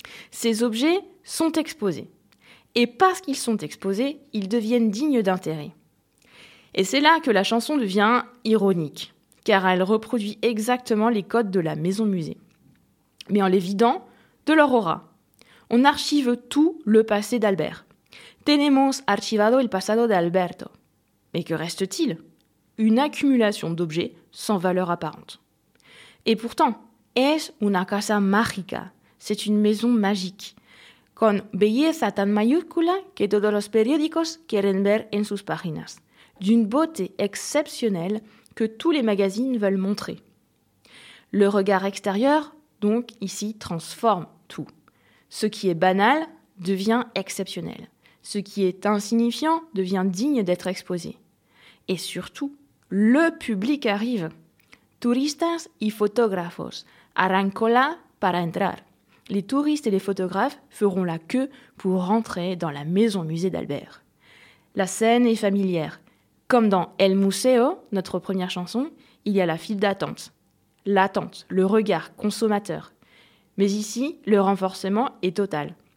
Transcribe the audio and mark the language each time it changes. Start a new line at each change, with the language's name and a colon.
French: Ces objets sont exposés. Et parce qu'ils sont exposés, ils deviennent dignes d'intérêt. Et c'est là que la chanson devient ironique, car elle reproduit exactement les codes de la maison-musée. Mais en les vidant de leur aura. On archive tout le passé d'Albert.
Spanish: Tenemos archivado el pasado de Alberto.
French: Mais que reste-t-il ? Une accumulation d'objets sans valeur apparente. Et pourtant,
Spanish: es una casa mágica.
French: C'est une maison magique,
Spanish: con belleza tan mayúscula que todos los periódicos quieren ver en sus páginas,
French: d'une beauté exceptionnelle que tous les magazines veulent montrer. Le regard extérieur, donc, ici, transforme tout. Ce qui est banal devient exceptionnel. Ce qui est insignifiant devient digne d'être exposé. Et surtout, le public arrive.
Spanish: Turistas y fotógrafos harán cola para entrar.
French: Les touristes et les photographes feront la queue pour rentrer dans la maison-musée d'Albert. La scène est familière. Comme dans El Museo, notre première chanson, il y a la file d'attente. L'attente, le regard consommateur. Mais ici, le renforcement est total.